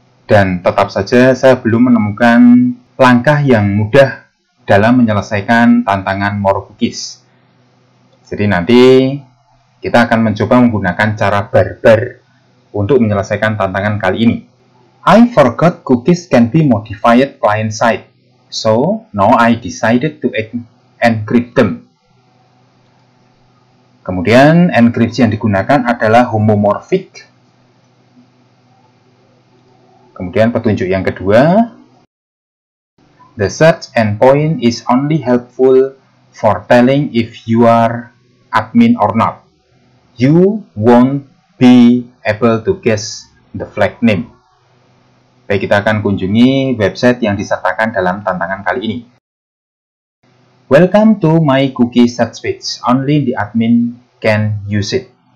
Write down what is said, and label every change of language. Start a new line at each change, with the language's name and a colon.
Indonesian: Dan tetap saja saya belum menemukan langkah yang mudah dalam menyelesaikan tantangan More Cookies. Jadi nanti kita akan mencoba menggunakan cara barbar untuk menyelesaikan tantangan kali ini.
English: I forgot cookies can be modified client side. So now I decided to encrypt them.
Indonesian: Kemudian enkripsi yang digunakan adalah homomorphic. Kemudian petunjuk yang kedua,
English: the search endpoint is only helpful for telling if you are admin or not. You won't be able to guess the flag name.
Indonesian: Baik, kita akan kunjungi website yang disertakan dalam tantangan kali ini.
English: Welcome to my cookie search page. Only the admin can use it.